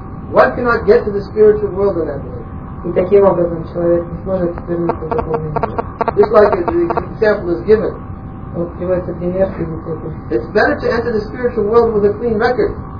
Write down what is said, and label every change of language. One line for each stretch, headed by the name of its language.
English: One cannot get to the spiritual world in that way.
Russian: И таким образом человек не сможет вернуться в духовный мир.
English: Just like the example is given.
Russian: Вот приводится пример, как будто бы.
English: It's better to enter the spiritual world with a clean record.